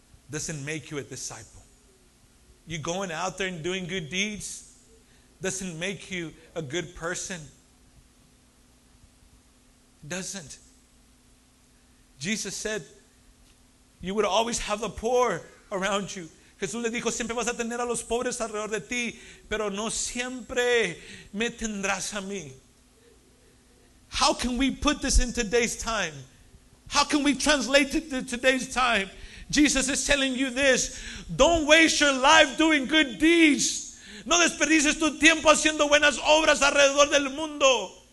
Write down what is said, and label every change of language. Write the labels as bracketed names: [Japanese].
[English] Doesn't make you a disciple. You going out there and doing good deeds doesn't make you a good person. Doesn't. Jesus said, you would always have the poor around you. [Spanish] Jesús le dijo, siempre vas a tener a los pobres alrededor de ti, pero no siempre me tendrás a mí. [English] How can we put this in today's time? How can we translate it to today's time? Jesus is telling you this. Don't waste your life doing good deeds. [Spanish] No desperdices tu tiempo haciendo buenas obras alrededor del mundo.